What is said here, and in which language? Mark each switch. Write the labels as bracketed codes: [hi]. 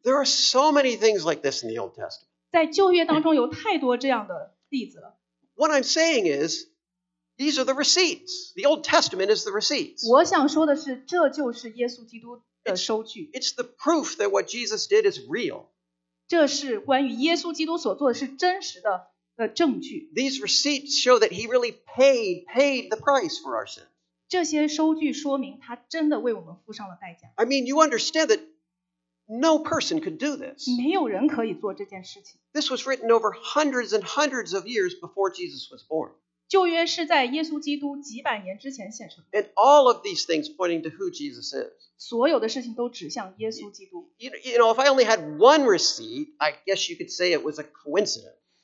[en] There are so many things like this in the Old Testament. [zh] 在旧约当中有太多这样的例子了。 [en] What I'm saying is, these are the receipts. The Old Testament is the receipts. [zh] 我想说的是, 这就是耶稣基督的收据。 [en] It's the proof that what Jesus did is real. [zh] 这是关于耶稣基督所做的是真实的证据。 [en] These receipts show that he really paid the price for our sins. [zh] 这些收据说明他真的为我们付上了代价。 [en] I mean, you understand that no person could do this. [zh] 没有人可以做这件事情。 [en] This was written over hundreds and hundreds of years before Jesus was born. [zh] 旧约是在耶稣基督几百年之前写成的。 [en] And all of these things pointing to who Jesus is. [zh] 所有的事情都指向耶稣基督。 [en] You know, if I only had one receipt, I guess you could say it was a coincidence.